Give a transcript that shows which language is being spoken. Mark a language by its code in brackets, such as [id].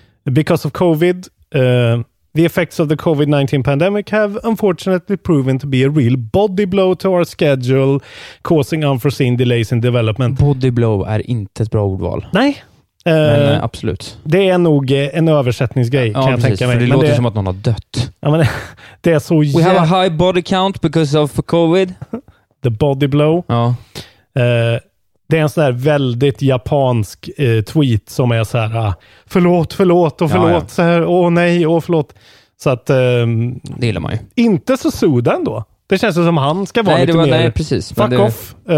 [en] Because of COVID, the effects of the COVID-19 pandemic have unfortunately proven to be a real body blow to our schedule, causing unforeseen delays in development. [sv] Body blow är inte ett bra ordval. Nej. Men absolut. Det är nog en översättningsgrej, ja, kan precis, jag tänka mig. För det låter som att någon har dött. Ja, men det är så [en] We have a high body count because of COVID. The body blow. [sv] Ja. Det är en sån där väldigt japansk tweet som är så här förlåt så här åh nej och förlåt. Så att det gillar man ju. Inte så Suda ändå. Det känns som han ska vara nej, lite var, mer. Nej, precis. [en] Fuck off.